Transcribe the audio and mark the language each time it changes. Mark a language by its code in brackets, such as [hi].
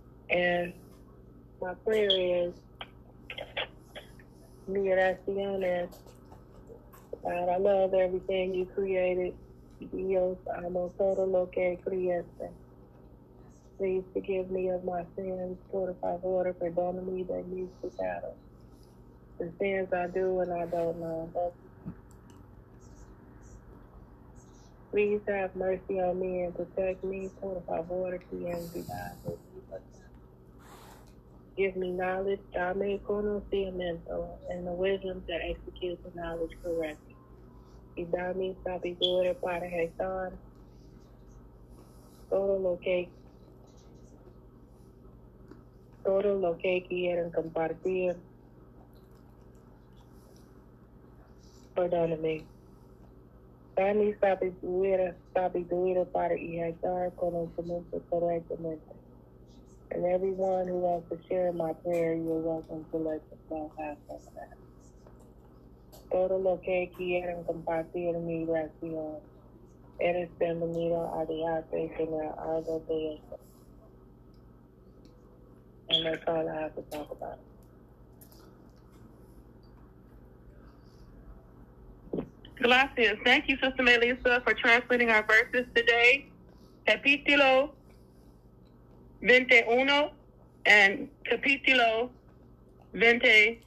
[en] And my prayer is, [es] mi oración es, [en] God, I love everything you created. [es] Dios amo todo lo que creaste. [en] Please forgive me of my sins, [es] por favor, perdóname de mis pecados. [en] The sins I do and I don't know. Please have mercy on me and protect me, [es] por favor, quien viva. [en] Give me knowledge, [es] dame conocimiento, [en] and the wisdom to execute the knowledge correctly. [es] Y dame sabiduría para gestar todo lo que quieren compartir. Perdóname. Dame sabiduría para gestar conocimiento correctamente. [en] And everyone who wants to share my prayer, you're welcome to let yourself have some of that. [es] Todo lo que quieren compartir mi oración, eres bienvenido a diarte y tener algo de eso. [en] And that's all I have to talk about. [es] Gracias. [en] Thank you, Sister Melissa, for translating our verses today. Capítulo 21 and Capítulo 22.